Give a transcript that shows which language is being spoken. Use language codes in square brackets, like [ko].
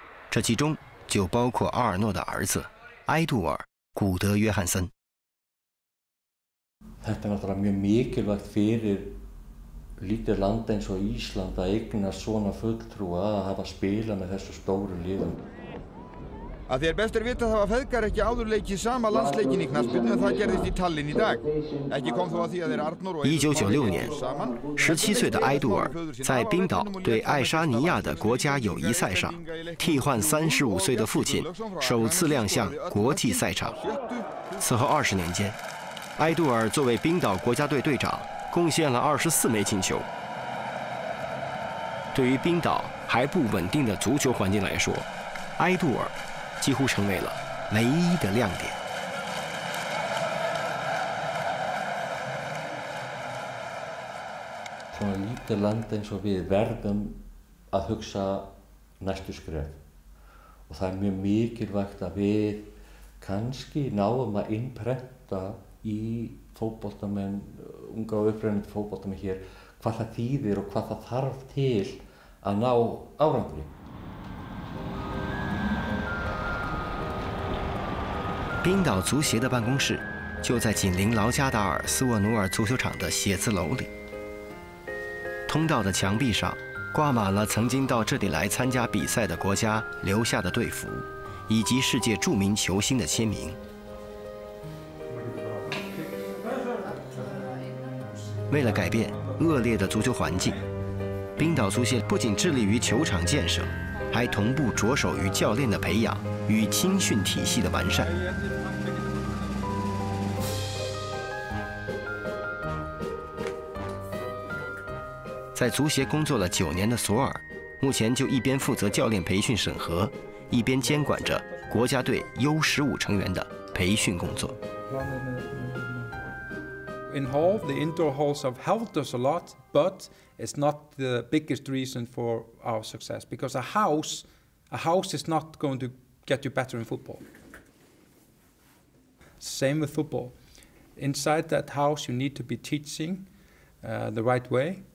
[zh] 这其中就包括阿尔诺的儿子埃杜尔·古德·约翰森。 [is] Þetta er náttúrulega mjög mikilvægt fyrir lítið land eins og Ísland að eignast svona fulltrúa að hafa spilað með þessu stóru liðum. Að því er best er vitað hafa feðgar ekki áður leikið sama landsleikin í knattspyrnu en það gerðist í Tallinn í dag. Ekki kom þó að því að þeir Arnór og Eidur Fáli eru saman. [zh] 17岁的埃杜尔在冰岛对爱沙尼亚的国家友谊赛上替换35岁的父亲首次亮相国际赛场。此后20年间，埃杜尔作为冰岛国家队队长贡献了24枚进球。对于冰岛还不稳定的足球环境来说，埃杜尔几乎成为了唯一的亮点。 [is] Svona lítið land eins og við verðum að hugsa næstu skref. Og það er mjög mikilvægt að við kannski náum að innprenta í fótboltamenn, unga og upprennandi fótboltamenn hér, hvað það þýðir og hvað það þarf til að ná árangri. [zh] 冰岛足协的办公室就在紧邻劳加达尔斯沃努尔足球场的写字楼里。通道的墙壁上挂满了曾经到这里来参加比赛的国家留下的队服，以及世界著名球星的签名。为了改变恶劣的足球环境，冰岛足协不仅致力于球场建设，还同步着手于教练的培养与青训体系的完善。在足协工作了九年的索尔，目前就一边负责教练培训审核，一边监管着国家队 U15 成员的培训工作。 [en] In hall, the indoor halls have helped us a lot, but it's not the biggest reason for our success. Because a house is not going to get you better in football. Same with football. Inside that house, you need to be teaching the right way.